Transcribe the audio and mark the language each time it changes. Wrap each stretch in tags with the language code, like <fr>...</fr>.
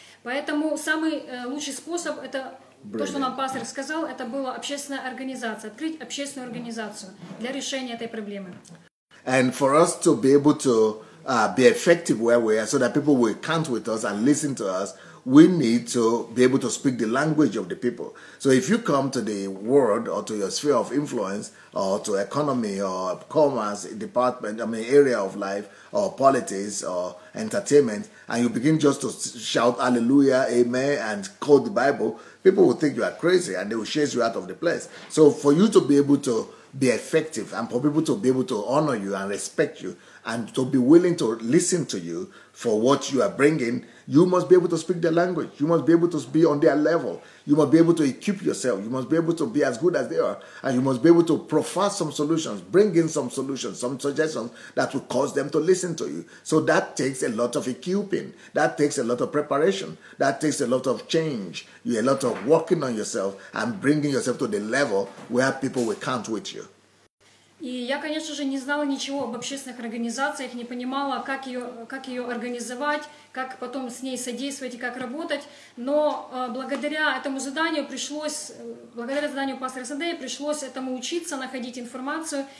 <ru>Поэтому самый лучший способ, это то, что нам пастор сказал, это была общественная организация, открыть общественную организацию для решения этой проблемы.</ru> <en>And for us to be able to be effective where we are, so that people will count with us and listen to us, we need to be able to speak the language of the people. So if you come to the world or to your sphere of influence or to economy or commerce department, area of life or politics or entertainment, and you begin just to shout hallelujah, amen, and quote the Bible, people will think you are crazy and they will chase you out of the place. So for you to be able to be effective and for people to be able to honor you and respect you and to be willing to listen to you for what you are bringing, you must be able to speak their language. You must be able to be on their level. You must be able to equip yourself. You must be able to be as good as they are. And you must be able to proffer some solutions, bring in some solutions, some suggestions that will cause them to listen to you. So that takes a lot of equipping. That takes a lot of preparation. That takes a lot of change. A lot of working on yourself and bringing yourself to the level where people will count with you.</en> <ru>И я, конечно же, не знала ничего об общественных организациях, не понимала, как ее организовать, как потом с ней содействовать и как работать. Но благодаря заданию пастора Сандея пришлось этому учиться, находить информацию.</ru>